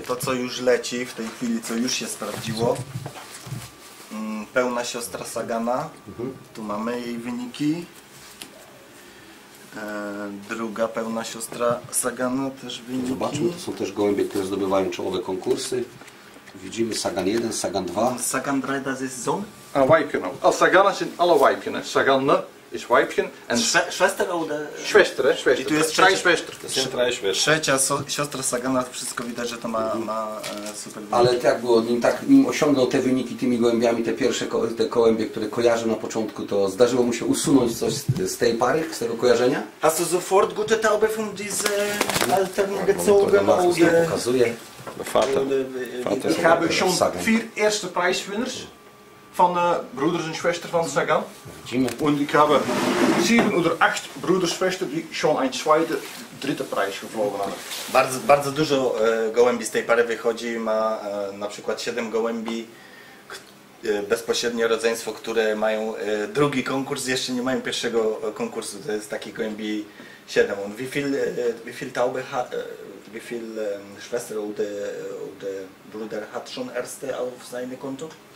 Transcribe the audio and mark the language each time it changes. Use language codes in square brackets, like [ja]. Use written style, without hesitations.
[pl] To, co już leci w tej chwili, co już się sprawdziło. Pełna siostra Sagana. Tu mamy jej wyniki. Druga pełna siostra Sagana też wyniki. Zobaczmy, to są też gołębie, które zdobywają czołowe konkursy. Widzimy Sagan 1, Sagan 2. [de] Sagan 3 das ist Sohn. A Weibchen auch. A Sagana sind alle Weibchen. Sagan ist Weibchen. Schwester oder? Schwester. [pl] I tu jest trzecia [de] Schwester. [pl] Trzecia siostra Sagana, wszystko widać, że to ma, ma super wyniki. Ale jak było, nim, tak, nim osiągnął te wyniki tymi gołębiami, te pierwsze te gołębie, które kojarzył na początku, to zdarzyło mu się usunąć coś z tej pary, z tego kojarzenia? [de] Hast du sofort gute Taube von diese Alternengezogen? [pl] Tak, to pokazuje. [de] Vater. Ich habe schon vier erste Preisgewinners von Brüdern und Schwestern von Sagan. Und ich habe sieben oder acht Brüder und Schwestern, die schon einen zweiten, dritten Preis geflogen haben. [pl] Bardzo, bardzo dużo gołębi z tej pary wychodzi. Ma na przykład siedem gołębi, bezpośrednie rodzeństwo, które mają drugi konkurs, jeszcze nie mają pierwszego konkursu. To jest taki gołębi siedem. [de] Und wie viel Taube hat. Wie viele Schwestern oder Brüder hat schon erste auf seinem Konto?